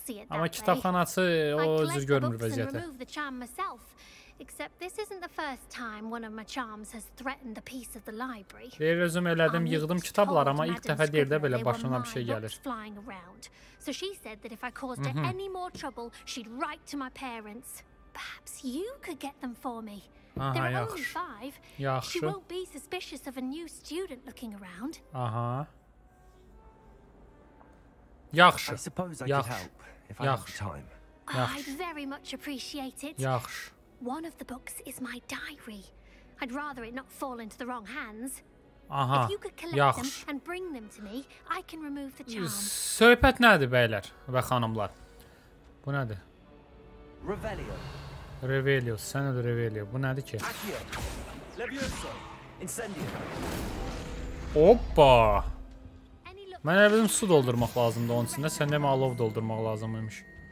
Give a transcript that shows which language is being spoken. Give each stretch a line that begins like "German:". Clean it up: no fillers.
Azerbaijani: Amma kitabxanaçı o üzr görmür vəziyyətə.
English: Except this isn't the first time one of my charms has threatened the peace of the library.
Azerbaijani: Deyir, özüm elədim, yığdım kitablar, amma ilk dəfə deyir də belə başına bir şey gəlir.
English: So she said that if I caused her any more trouble, she'd write to my parents. Perhaps you could get them for me.
Azerbaijani: Aha, yaxşı. Yaxşı.
English: She won't be suspicious of a new student looking around. Aha.
Azerbaijani: Yaxşı.
English: I suppose I could help if I have time. Yaxşı. I'd very much appreciate it. Yaxşı. One of the books is my diary. I'd rather it not fall into the wrong hands. Aha. If you could collect them and bring them to me, I can remove the charm.
Azerbaijani: Söhbət nədir bəylər və xanımlar? Bu nədir? Revelio. Revelio, sənə də Revelio. Bu nədir ki? Levioso. Incendio. Oppa. Mən əvvəlim su doldurmaq lazımdır onun içində. Sən demə alov doldurmaq lazımmış.